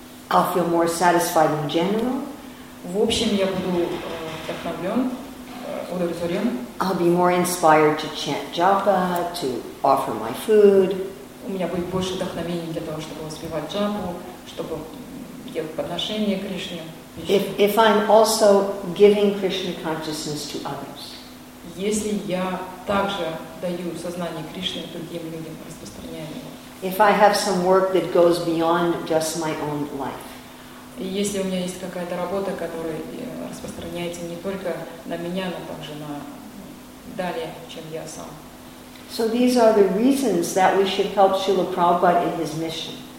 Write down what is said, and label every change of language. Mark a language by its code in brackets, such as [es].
[en] I'll feel more satisfied in general. [ru] В общем, я буду вдохновлен, удовлетворен. [en] I'll be more inspired to chant japa, to offer my food. [ru] У меня будет больше вдохновения для того, чтобы воспевать джапу, чтобы делать подношения Кришне. [en] If I'm also giving Krishna consciousness to others. [ru] Если я также даю сознание Кришне другим людям, распространяю его. [en] If I have some work that goes beyond just my own life. [ru] Если у меня есть какая-то работа, которая распространяется не только на меня, но также на далее, чем я сам. [en] So these are the reasons that we should help Śrīla Prabhupāda in his mission.